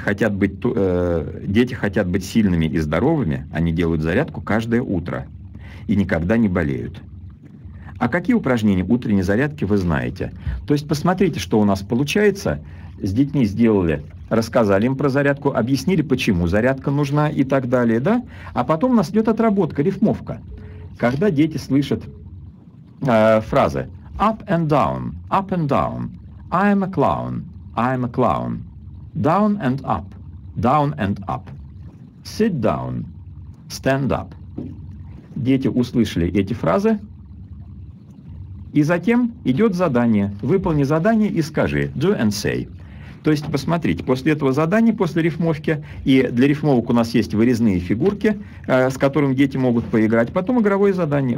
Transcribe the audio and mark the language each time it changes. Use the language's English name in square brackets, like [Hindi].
[Russian] Дети хотят быть сильными и здоровыми, они делают зарядку каждое утро и никогда не болеют. А какие упражнения утренней зарядки вы знаете? То есть посмотрите, что у нас получается. С детьми сделали, рассказали им про зарядку, объяснили, почему зарядка нужна и так далее, да? А потом у нас идет отработка, рифмовка. Когда дети слышат фразы [English] «up and down», «up and down», «I'm a clown», «I'm a clown», down and up, down and up, sit down, stand up. [Russian] Дети услышали эти фразы, и затем идет задание. Выполни задание и скажи, [English] do and say. [Russian] То есть, посмотрите, после этого задания, после рифмовки, и для рифмовок у нас есть вырезные фигурки, с которыми дети могут поиграть, потом игровое задание.